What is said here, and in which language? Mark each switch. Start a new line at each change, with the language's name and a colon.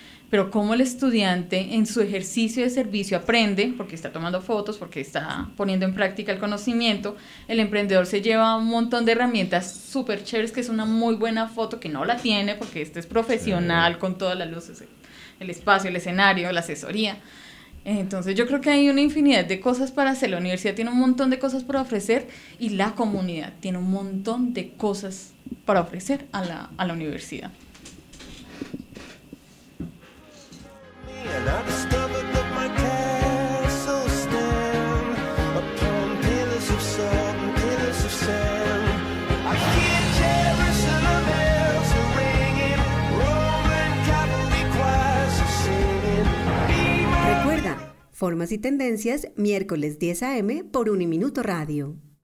Spanish: Pero cómo el estudiante en su ejercicio de servicio aprende, porque está tomando fotos, porque está poniendo en práctica el conocimiento, el emprendedor se lleva un montón de herramientas súper chéveres, que es una muy buena foto, que no la tiene, porque este es profesional, sí, con todas las luces, el espacio, el escenario, la asesoría. Entonces yo creo que hay una infinidad de cosas para hacer. La universidad tiene un montón de cosas para ofrecer y la comunidad tiene un montón de cosas para ofrecer a la universidad.
English: And I discovered that my castle stands upon pillars of salt and pillars of sand. I hear Jerusalem bells ringing, Roman Catholic choirs are singing.
Spanish: Recuerda, Formas y Tendencias, miércoles 10 a.m. por Uniminuto Radio.